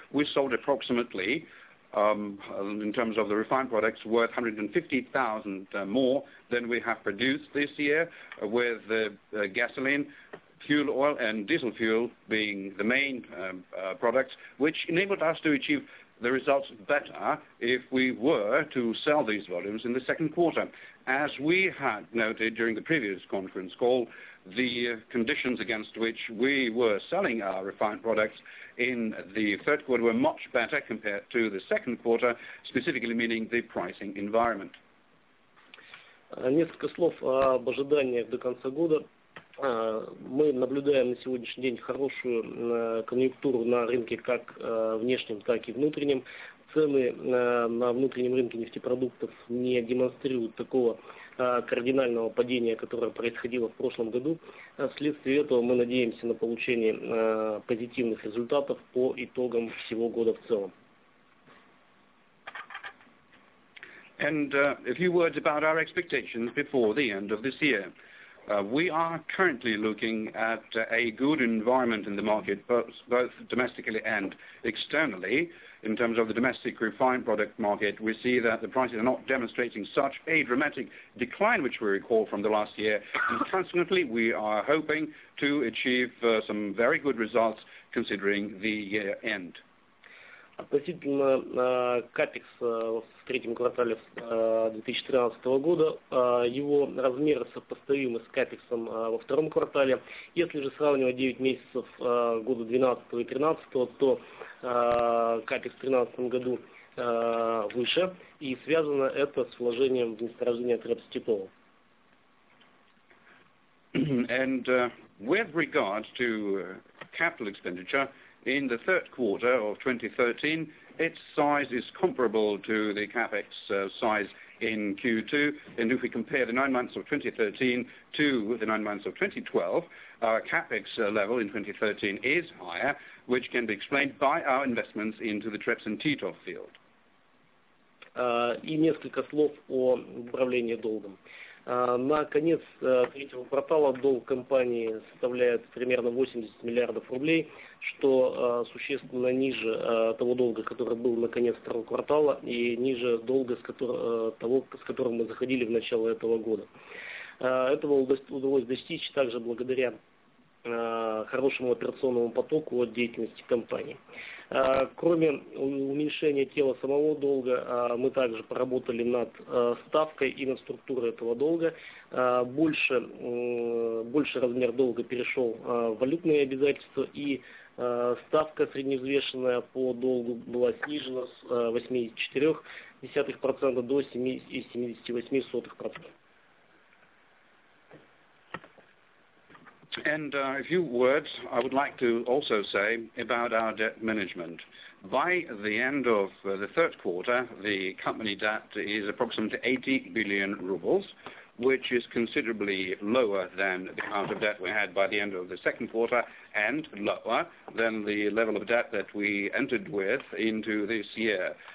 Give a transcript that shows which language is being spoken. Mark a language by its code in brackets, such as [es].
[en] We sold approximately, in terms of the refined products, worth 150,000 more than we have produced this year, with the gasoline, fuel oil, and diesel fuel being the main products, which enabled us to achieve the results better if we were to sell these volumes in the second quarter. As we had noted during the previous conference call, the conditions against which we were selling our refined products in the third quarter were much better compared to the second quarter, specifically meaning the pricing environment. [ru] Несколько слов об ожиданиях до конца года. Мы наблюдаем на сегодняшний день хорошую конъюнктуру на рынке как внешнем, так и внутреннем. Цены на внутреннем рынке нефтепродуктов не демонстрируют такого кардинального падения, которое происходило в прошлом году. Вследствие этого мы надеемся на получение позитивных результатов по итогам всего года в целом. [en] And a few words about our expectations before the end of this year. We are currently looking at a good environment in the market, both domestically and externally. In terms of the domestic refined product market, we see that the prices are not demonstrating such a dramatic decline, which we recall from the last year. And consequently, we are hoping to achieve some very good results considering the year end. [ru] Относительно капекс в третьем квартале 2013 года, его размеры сопоставимы с капексом во втором квартале. Если же сравнивать 9 месяцев года 2012 и 2013, то капекс в 2013 году выше, и связано это с вложением в месторождение Трепс-Титова. [en] And with regard to capital expenditure, in the third quarter of 2013, its size is comparable to the CAPEX size in Q2. And if we compare the 9 months of 2013 to the 9 months of 2012, our CAPEX level in 2013 is higher, which can be explained by our investments into the Trepson Titov field. [ru] И несколько слов о управлении долгом. На конец третьего квартала долг компании составляет примерно 80 миллиардов рублей, что существенно ниже того долга, который был на конец второго квартала, и ниже долга, с которым мы заходили в начало этого года. Этого удалось достичь также благодаря хорошему операционному потоку от деятельности компании. Кроме уменьшения тела самого долга, мы также поработали над ставкой и над структурой этого долга. Больше размер долга перешел в валютные обязательства, и ставка средневзвешенная по долгу была снижена с 84% до 7,78%. [en] And a few words I would like to also say about our debt management. By the end of the third quarter, the company debt is approximately 80 billion rubles, which is considerably lower than the amount of debt we had by the end of the second quarter and lower than the level of debt that we entered with into this year.